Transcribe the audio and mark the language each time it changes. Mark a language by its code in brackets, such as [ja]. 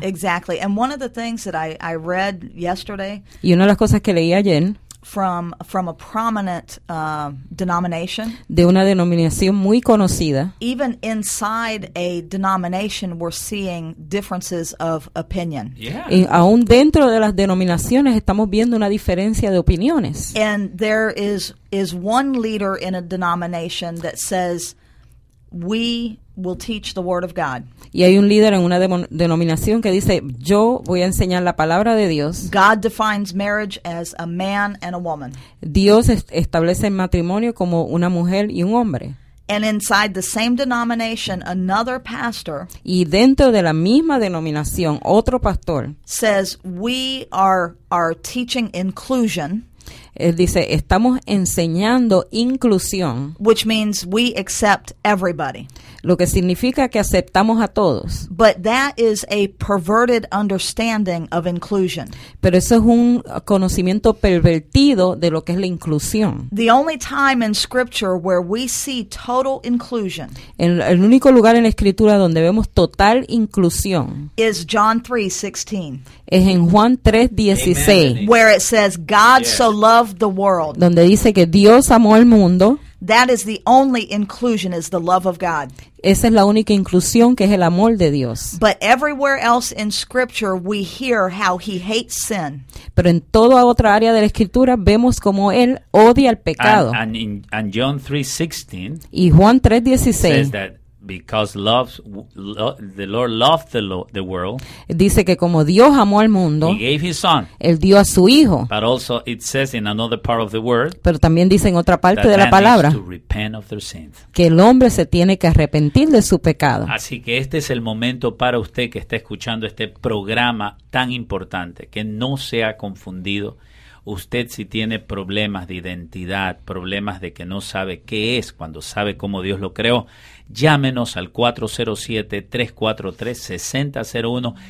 [en] Exactly. And one of the things that I read yesterday. [es] Y una de las cosas que leí ayer. [en] From a prominent denomination. [es] De una denominación muy conocida. [en] Even inside a denomination, we're seeing differences of opinion. Yeah. [es] Y aún dentro de las denominaciones estamos viendo una diferencia de opiniones. [en] And there is one leader in a denomination that says, we will teach the word of God. [es] Y hay un líder en una denominación que dice, yo voy a enseñar la palabra de Dios. [en] God defines marriage as a man and a woman. [es] Dios establece el matrimonio como una mujer y un hombre. [en] And inside the same denomination, another pastor. [es] Y dentro de la misma denominación, otro pastor. [en] Says we are teaching inclusion. [es] Él dice, estamos enseñando inclusión. [en] Which means we accept everybody. [es] Lo que significa que aceptamos a todos. [en] But that is a perverted understanding of inclusion. [es] Pero eso es un conocimiento pervertido de lo que es la inclusión. [en] The only time in scripture where we see total inclusion. [es] El único lugar en la escritura donde vemos total inclusión. [en] Is John 3:16. [es] Es en Juan 3:16. [en] Where it says God yes. So loved the world. [es] Donde dice que Dios amó el mundo. [en] That is the only inclusion, is the love of God. [es] Esa es la única inclusión, que es el amor de Dios. [en] But everywhere else in scripture we hear how he hates sin. [es] Pero en toda otra área de la escritura vemos como él odia el pecado. [en] And John 3:16. [es] Y Juan 3:16 [en] says that because the Lord loved the world. [es] Dice que como Dios amó al mundo, [en] he gave his son. [es] Él dio a su hijo. [en] But also it says in another part of the word. [es] Pero también dice en otra parte de la palabra. [en] To repent of their sins. [es] Que el hombre se tiene que arrepentir de su pecado. Así que este es el momento para usted que está escuchando este programa tan importante, que no sea confundido. Usted si tiene problemas de identidad, problemas de que no sabe qué es cuando sabe cómo Dios lo creó, llámenos al 407-343-6001.